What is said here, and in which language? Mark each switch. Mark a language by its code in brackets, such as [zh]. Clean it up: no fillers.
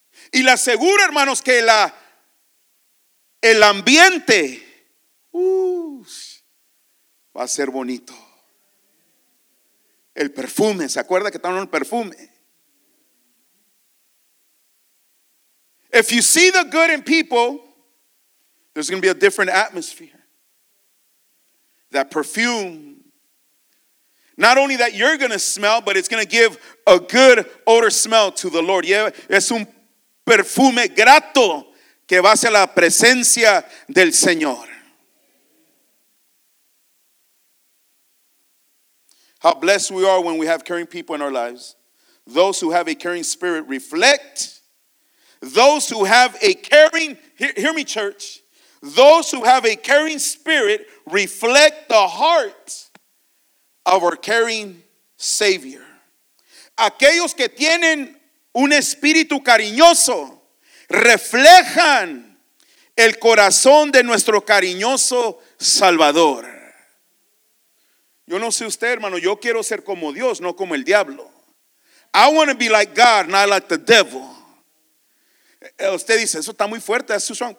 [es] Y le aseguro, hermanos, que el ambiente va a ser bonito. El perfume, ¿se acuerda que estaban en el perfume? [en] If you see the good in people, there's going to be a different atmosphere. That perfume, not only that you're going to smell, but it's going to give a good odor smell to the Lord. [es] Yeah, es un perfume grato que va hacia la presencia del Señor. [en] How blessed we are when we have caring people in our lives. Those who have a caring spirit reflect. Those who have a caring, hear me, church. Those who have a caring spirit reflect the heart of our caring Savior. [es] Aquellos que tienen un espíritu cariñoso reflejan el corazón de nuestro cariñoso Salvador. Yo no sé usted, hermano, yo quiero ser como Dios, no como el diablo. [en] I want to be like God, not like the devil. [es] Usted dice, eso está muy fuerte, eso es strong.